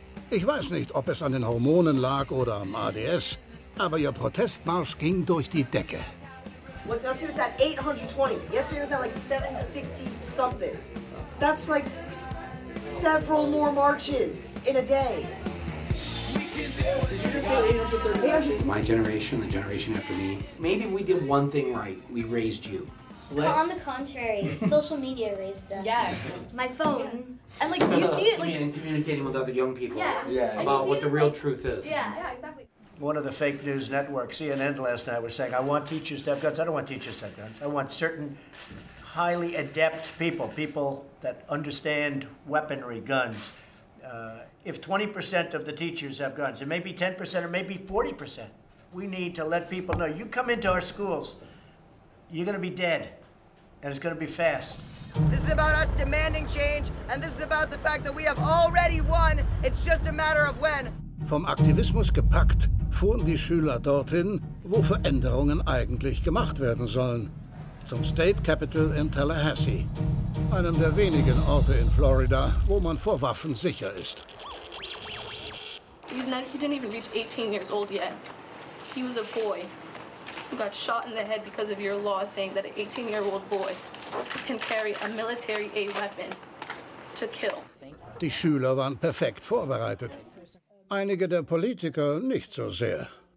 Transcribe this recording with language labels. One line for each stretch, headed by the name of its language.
German: Ich weiß nicht, ob es an den Hormonen lag oder am ADS, aber ihr Protestmarsch ging durch die Decke.
English: What's up to? It's at 820. Yesterday was at like 760-something. That's like several more marches in a day. My generation, the generation after me, maybe we did one thing right. We raised you. On the contrary, social media raised us. Yes. My phone. Yeah. And like, you see it like... Communicating with other young people. Yeah. About what the real truth is. Yeah, exactly. One of the fake news networks, CNN last night, was saying, I want teachers to have guns. I don't want teachers to have guns. I want certain highly adept people, people that understand weaponry, guns. If 20% of the teachers have guns, it may be 10% or maybe 40%, we need to let people know, you come into our schools, you're going to be dead, and it's going to be fast. This is about us demanding change, and this is about the fact that we have already won. It's just a matter of when.
German: Vom Aktivismus gepackt, fuhren die Schüler dorthin, wo Veränderungen eigentlich gemacht werden sollen. Zum State Capitol in Tallahassee. Einem der wenigen Orte in Florida, wo man vor Waffen sicher ist.
English: He didn't even reach 18 years old yet. He was a boy who got shot in the head because of your law saying that an 18-year-old boy can carry a military A weapon to kill.
German: Die Schüler waren perfekt vorbereitet. Einige der Politiker nicht so sehr.